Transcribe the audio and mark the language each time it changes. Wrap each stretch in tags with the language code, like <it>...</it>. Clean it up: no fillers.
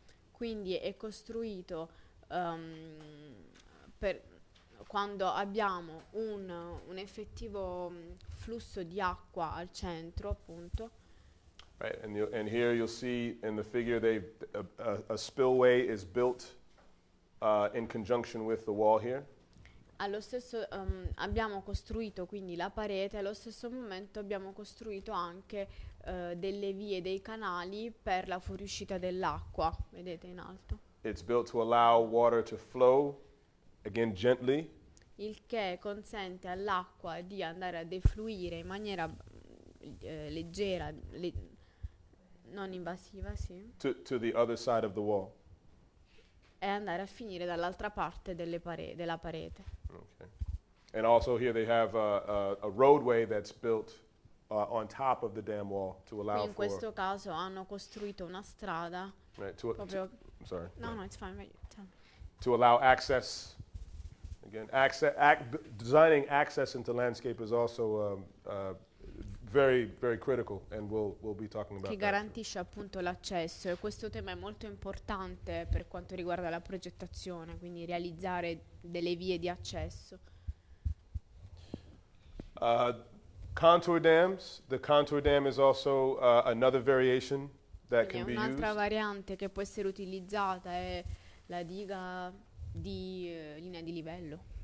<it>Quindi è costruito per quando abbiamo un effettivo flusso di acqua al centro, appunto.</it> <en>Right, and here you'll see in the figure a spillway is built in conjunction with the wall here.</en> <it>Allo stesso abbiamo costruito quindi la parete, allo stesso momento abbiamo costruito anche delle vie, dei canali per la fuoriuscita dell'acqua, vedete in alto.</it> <en>It's built to allow water to flow, again gently.</en> <it>Il che consente all'acqua di andare a defluire in maniera leggera, non invasiva, sì.</it> <en>To the other side of the wall.</en> <it>E andare a finire dall'altra parte della parete.</it> <en>Okay. And also here they have a roadway that's built on top of the dam wall to allow</en> <it>for. In questo caso hanno costruito una strada.</it> <en>Right. It's fine. Right. To allow access. Again, designing access into landscape is also very, very critical, and we'll be talking about that.</en> <it>Che garantisce appunto l'accesso, e questo tema è molto importante per quanto riguarda la progettazione, quindi realizzare delle vie di accesso.</it> <en>Contour dams. The contour dam is also another variation that can be used.</en> <it>Un'altra variante che può essere utilizzata è la diga di linea di livello.</it>